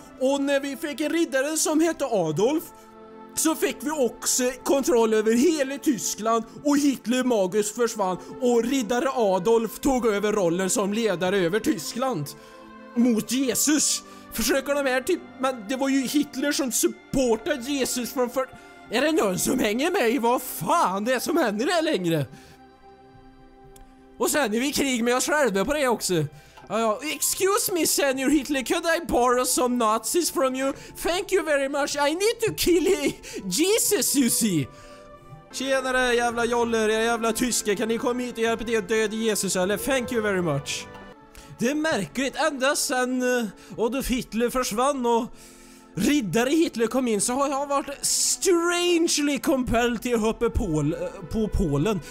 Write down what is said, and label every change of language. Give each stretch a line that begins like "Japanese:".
Swedish: Och när vi fick en riddare som heter Adolf så fick vi också kontroll över hela Tyskland och Hitler Magus försvann och riddare Adolf tog över rollen som ledare över Tyskland mot Jesus. Försöker de här typ, men det var ju Hitler som supportade Jesus från för... Är det någon som hänger med i vad fan det är som händer där längre? Och sen är vi i krig med oss själva på det också.
English: Excuse me, Senior Hitler, could I borrow some Nazis from you? Thank you very much, I need to kill Jesus, you see.
Swedish: Tjenare jävla joller, jävla tyska, kan ni komma hit och hjälpa till att döda Jesus eller?
English: Thank you very much.
Swedish: Det är märkligt, ända sen Adolf Hitler försvann och riddare Hitler kom in så har jag varit
English: strangely compelled
Swedish: till att hoppa på Polen.